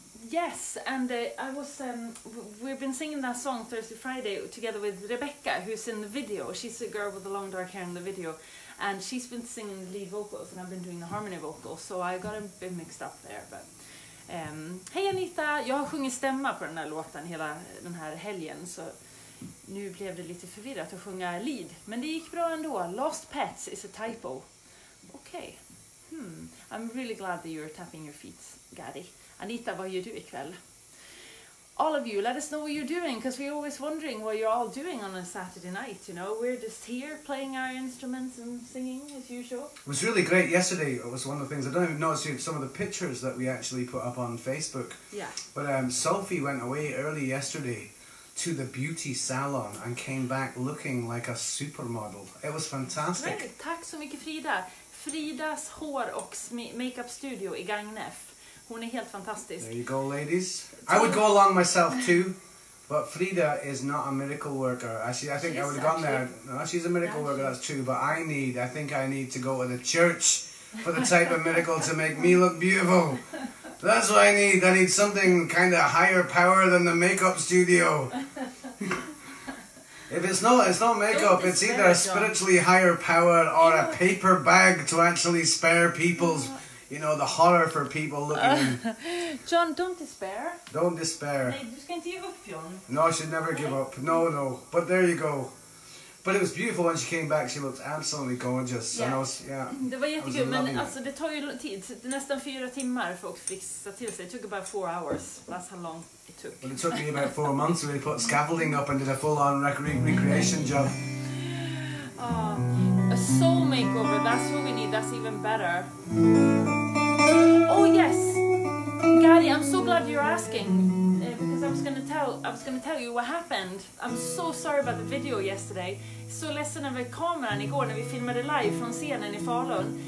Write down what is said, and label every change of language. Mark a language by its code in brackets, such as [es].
[en] Yes, and I was. We've been singing that song Thursday, Friday together with Rebecca, who's in the video. She's the girl with the long dark hair in the video, and she's been singing the lead vocals, and I've been doing the harmony vocals, so I got a bit mixed up there. [sv] But hey Anita, jag har sjungit stämma på den här låten hela den här helgen, så. Nu blev det lite förvirrat att sjunga lead, men det gick bra ändå. [en] Lost pets is a typo. Okay. I'm really glad that you're tapping your feet, Gary. Anita, [sv] vad gör du ikväll? [en] All of you, let us know what you're doing, because we're always wondering what you're all doing on a Saturday night, you know? We're just here playing our instruments and singing as usual. It was really great yesterday. It was one of the things, I don't even notice some of the pictures that we actually put up on Facebook. Yeah. But Sophie went away early yesterday. to the beauty salon and came back looking like a supermodel. It was fantastic. [sv] Great. Tack så mycket, Frida. Fridas hår och makeup studio i Gagnef. Hon är helt fantastisk. [en] There you go, ladies. I would go along myself too. But Frida is not a miracle worker. Actually, I think she's, I would have gone there. No, she's a miracle worker, that's true. But I think I need to go to the church for the type of miracle to make me look beautiful. That's what I need. I need something kind of higher power than the makeup studio. If it's not, it's not makeup. It's either a spiritually higher power or a paper bag to actually spare people's... You know, the horror for people looking in. John, don't despair. Don't despair. [sv] Nej, du ska inte [en] give up, [sv] John. [en] No, I should never give up. No, no. But there you go. But it was beautiful when she came back. She looked absolutely gorgeous. Yeah. And I was, yeah. [sv] Det var jättekul, men alltså, det tar ju tid. Det är nästan 4 timmar för att fixa till sig. [en] It took about 4 hours. That's how long it took. Well, it took me about 4 months when we put scaffolding up and did a full-on recreation job. A soul makeover, that's what we need, that's even better. Oh yes, Gary, I'm so glad you're asking, because I was gonna tell you what happened. I'm so sorry about the video yesterday. [sv] Så ledsen över kameran igår när vi filmade live från scenen i Falun.